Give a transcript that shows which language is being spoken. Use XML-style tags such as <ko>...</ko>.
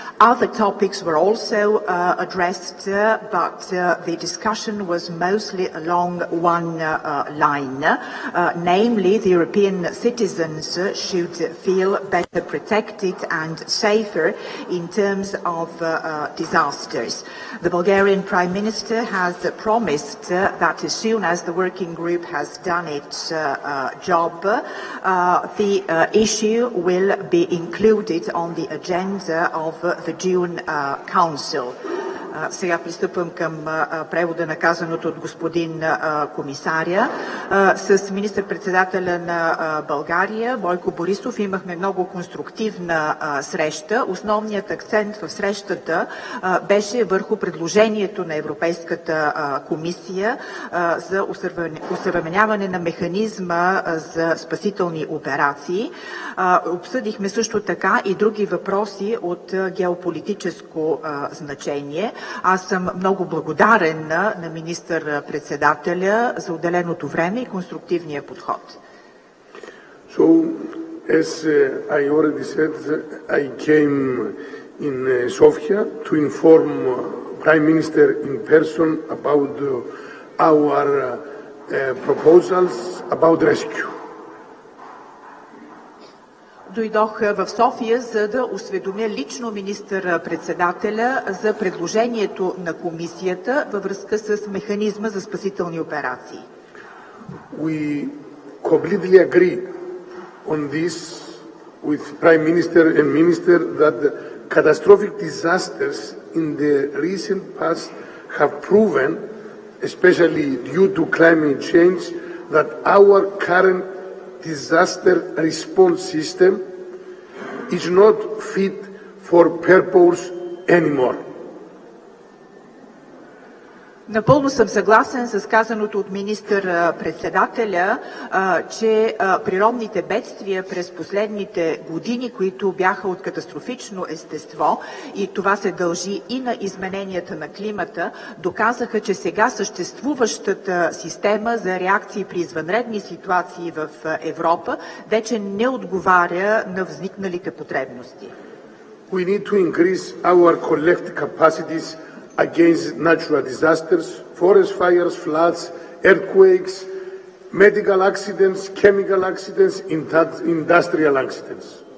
<en>Other topics were also addressed, but the discussion was mostly along one line, namely the European citizens should feel better protected and safer in terms of disasters. The Bulgarian Prime Minister has promised that as soon as the working group has done its job, the issue will be included on the agenda of the June Council.</en> <bg>Сега пристъпвам към превода на казаното от господин комисаря. С министър-председателя на България Бойко Борисов имахме много конструктивна среща. Основният акцент в срещата беше върху предложението на Европейската комисия за усъвременяване на механизма за спасителни операции. Обсъдихме също така и други въпроси от геополитическо значение. Аз съм много благодарен на министър-председателя за отделеното време и конструктивния подход.</bg> <en>So, as I already said, I came in Sofia to inform Prime Minister in person about our proposals about rescue.</en> <bg>Дойдох в София, за да осведомя лично министър-председателя за предложението на комисията във връзка с механизма за спасителни операции.</bg> <en>We completely agree on this with Prime Minister and Minister that catastrophic disasters in the recent past have proven, especially due to climate change, that our current disaster response system is not fit for purpose anymore.</en> <bg>Напълно съм съгласен с казаното от министър-председателя, че природните бедствия през последните години, които бяха от катастрофично естество, и това се дължи и на измененията на климата, доказаха, че сега съществуващата система за реакции при извънредни ситуации в Европа вече не отговаря на възникналите потребности.</bg> <en>We need to increase our collective capacities against natural disasters, forest fires, floods, earthquakes, medical accidents, chemical accidents, industrial accidents.</en>